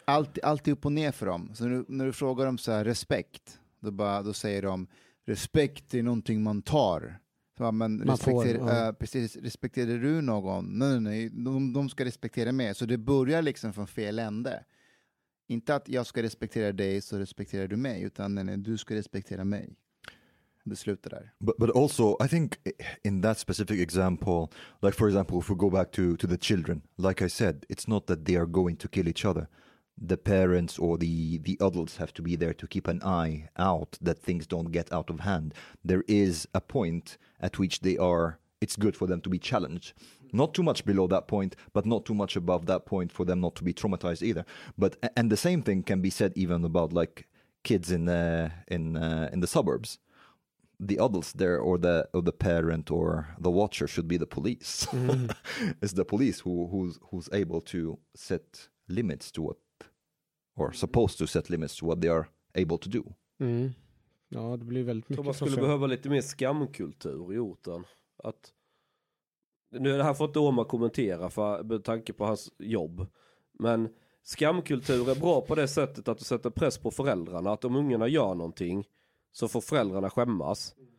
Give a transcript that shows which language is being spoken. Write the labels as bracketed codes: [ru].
[sv] Allt är upp och ner för dem. Så när du frågar dem så här, respekt, då säger de, respekt är någonting man tar. Ja, men respekterar du någon? Nej, de ska respektera mig. Så det börjar liksom från fel ände. Inte att jag ska respektera dig så respekterar du mig, utan nej, du ska respektera mig. Det slutar där. [en] But also, I think in that specific example, like for example, if we go back to the children, like I said, it's not that they are going to kill each other. The parents or the adults have to be there to keep an eye out that things don't get out of hand. There is a point at which it's good for them to be challenged. Not too much below that point, but not too much above that point for them not to be traumatized either. But and the same thing can be said even about like kids in the suburbs. The adults there or the parent or the watcher should be the police. Mm. It's the police who's able to set limits to what, or supposed to set limits to what they are able to do. Mm. [sv] Ja, det blir väldigt mycket. Thomas skulle behöva lite mer skamkultur i orten. Att nu har fått Oma kommentera med tanke på hans jobb. Men skamkultur är bra på det sättet att du sätter press på föräldrarna. Att om ungarna gör någonting så får föräldrarna skämmas.